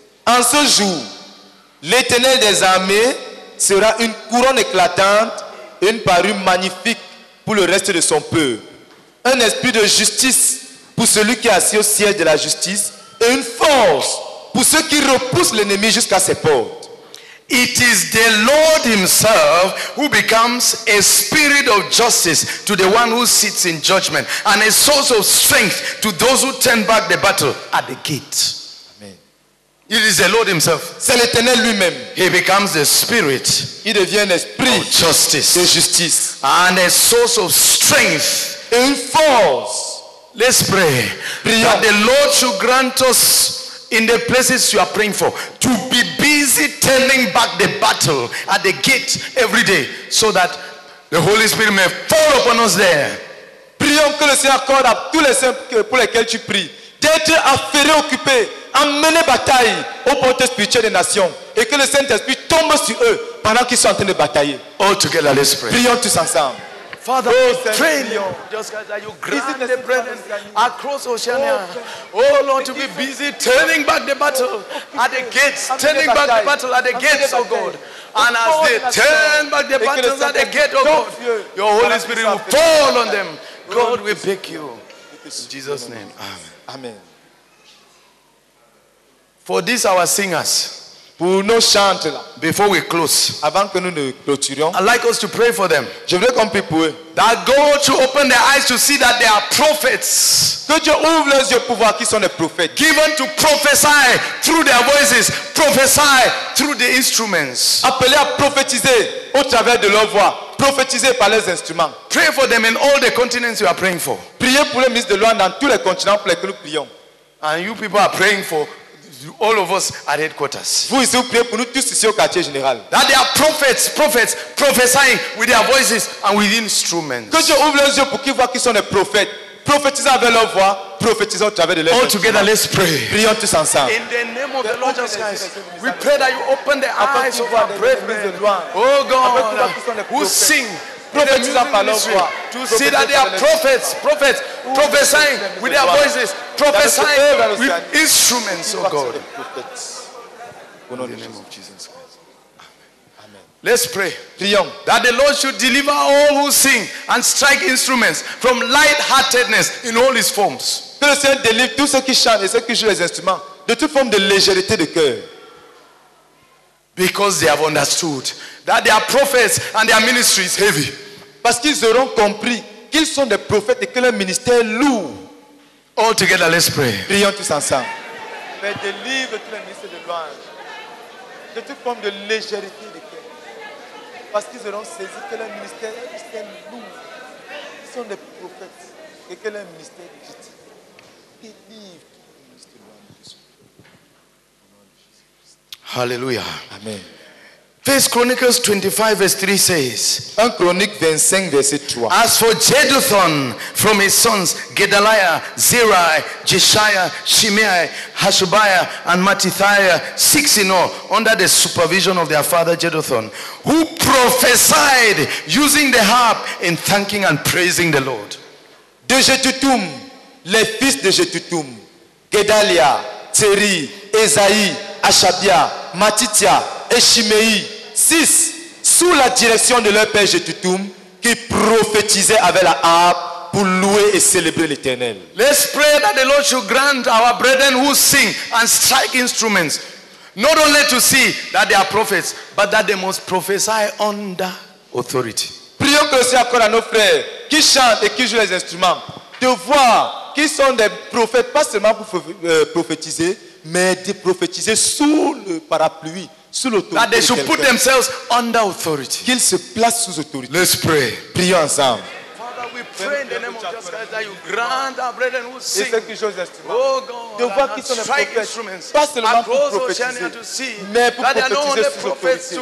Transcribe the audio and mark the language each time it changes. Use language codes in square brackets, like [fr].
[fr] En ce jour, l'Éternel des armées sera une couronne éclatante, une parure magnifique pour le reste de son peuple, un esprit de justice pour celui qui est assis au siège de la justice, et une force pour ceux qui repoussent l'ennemi jusqu'à ses portes. [en] It is the Lord himself who becomes a spirit of justice to the one who sits in judgment, and a source of strength to those who turn back the battle at the gate. Amen. It is the Lord himself. [fr] C'est l'Éternel lui-même. [en] He becomes the spirit. [fr] Il devient l'esprit [en] of justice. [fr] De justice. [en] And a source of strength. [fr] Une force. [en] Let's pray. [fr] Prions. [en] That the Lord should grant us in the places you are praying for to be busy turning back the battle at the gate every day so that the Holy Spirit may fall upon us there. [fr] Prions que le Seigneur accorde à tous les saints pour lesquels tu pries d'être affairés, occupés, à mener bataille aux portes spirituelles des nations et que le Saint-Esprit tombe sur eux pendant qu'ils sont en train de batailler. [en] All together, let's pray. [fr] Prions tous ensemble. [en] Father, we pray, Lord, just as you grant the brethren across Oceania, oh Lord, to be busy turning back the battle at the gates, turning back the battle at the gates, oh God. And as they turn back the battle at the gate, oh God, your Holy Spirit will fall on them. God, we beg you. In Jesus' name, amen. Amen. For this, our singers, [fr] pour nos chants, [en] before we close, [fr] avant que nous ne clôturions, [en] I'd like us to pray for them. [fr] Je voudrais qu'on prie pour eux. [en] That God should open their eyes to see that they are prophets. [fr] Que Dieu ouvre leurs yeux pour voir qu'ils sont des prophètes. [en] Given to prophesy through their voices, prophesy through the instruments. [fr] Appelés à prophétiser au travers de leur voix, prophétiser par les instruments. [en] Pray for them in all the continents you are praying for. [fr] Priez pour les ministres de loin dans tous les continents pour lesquels nous prions. [en] And you people are praying for all of us at headquarters. [fr] Vous ici, vous priez pour nous tous ici au quartier général. [en] That they are prophets, prophesying with their voices and with instruments. [fr] Que Dieu ouvre leurs yeux pour qu'ils voient qu'ils sont des prophètes. Prophétisant avec leur voix, prophétisant au travers de leurs [en] yeux. All together, let's pray. [fr] Prions tous ensemble. [en] In the name of the Lord Jesus Christ, we pray that you open the eyes of our brethren. Oh God, who sing. To see that they are prophets, prophesying with their voices, prophesying with instruments, oh God. In the name of Jesus Christ. Amen. Let's pray. [fr] Prions. [en] That the Lord should deliver all who sing and strike instruments from lightheartedness in all his forms. [fr] Que le Seigneur délivre tous ceux qui chantent et ceux qui jouent les instruments de toute forme de légèreté de cœur. [en] Because they have understood that their prophets and their ministry is heavy. [fr] Parce qu'ils auront compris qu'ils sont des prophètes et que leur ministère lourd. [en] All together, let's pray. [fr] Prions tous ensemble. Mais délivre tous les ministres de louange de toute forme de légèreté de cœur. Parce qu'ils auront saisi que leur ministère est lourd. Ils sont des prophètes et que leur ministère est petit. Délivre. Hallelujah. Amen. [en] 1 Chronicles 25 verse 3 says, [fr] 1 Chronique 25 verset 3. [en] As for Jeduthun, from his sons Gedaliah, Zerai, Jeshiah, Shimei, Hashabiah, and Mattithiah, six in all, under the supervision of their father Jeduthun, who prophesied using the harp in thanking and praising the Lord. [fr] De Jeduthun, les fils de Jeduthun, Gedaliah, Zeri, Esaïe, Achabia, Matitia et Shimei, six, sous la direction de leur père Jeduthun, qui prophétisaient avec la harpe pour louer et célébrer l'Éternel. [en] Let's pray that the Lord should grant our brethren who sing and strike instruments, not only to see that they are prophets, but that they must prophesy under authority. [fr] Prions que le Seigneur accorde à nos frères qui chantent et qui jouent les instruments de voir qu'ils sont des prophètes, pas seulement pour prophétiser, mais de prophétiser sous le parapluie, sous l'autorité. [en] That they should put themselves under authority. [fr] Qu'ils se placent sous autorité. [en] Let's pray. [fr] Prions ensemble. [en] Father, we pray in the name of Jesus Christ that you grant our brethren who sing. Oh God, [fr] de voir qu'ils sont des prophètes, pas seulement pour prophétiser, mais pour prophétiser sous autorité.